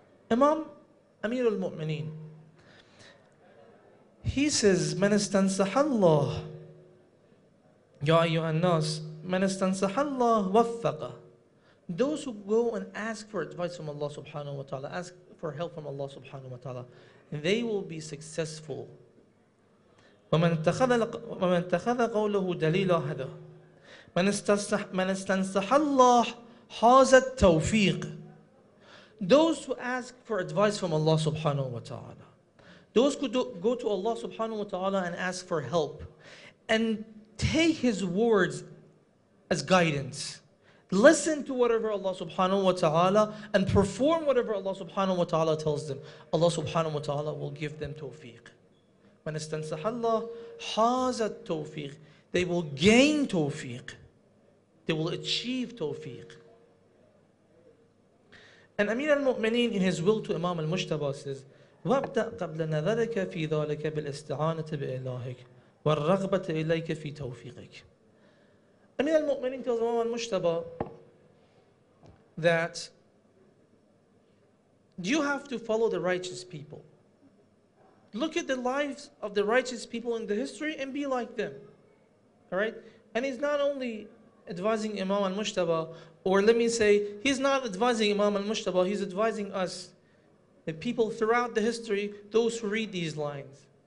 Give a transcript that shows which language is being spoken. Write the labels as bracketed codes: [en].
[en] Imam Amir al-Mu'mineen, he says, [ar] من استنصح الله يا أيها الناس من استنصح الله وفق. [en] Those who go and ask for advice from Allah subhanahu wa ta'ala, ask for help from Allah subhanahu wa ta'ala, they will be successful. [ar] ومن اتخذ قوله دليلا هذا من استنصح الله حاز التوفيق. [en] Those who ask for advice from Allah subhanahu wa ta'ala, those who go to Allah subhanahu wa ta'ala and ask for help and take His words as guidance, listen to whatever Allah subhanahu wa ta'ala and perform whatever Allah subhanahu wa ta'ala tells them, Allah subhanahu wa ta'ala will give them tawfiq. [ar] من استنصح الله حاز التوفيق. [en] They will gain tawfiq. They will achieve tawfiq. And Amir al-Mu'mineen in his will to Imam al-Mujtaba says, [ar] وَابْدَأْ قَبْلَ نَذَرَكَ فِي ذَلَكَ بِالْإِسْتِعَانَةِ بِإِلَهِكَ وَالرَّغْبَةِ إِلَيْكَ فِي تَوْفِيقِكَ. [en] Amir al-Mu'mineen tells Imam al-Mujtaba that you have to follow the righteous people. Look at the lives of the righteous people in the history and be like them. All right? And he's not only advising Imam al-Mujtaba, or let me say, he's not advising Imam al-Mujtaba, he's advising us, the people throughout the history, those who read these lines.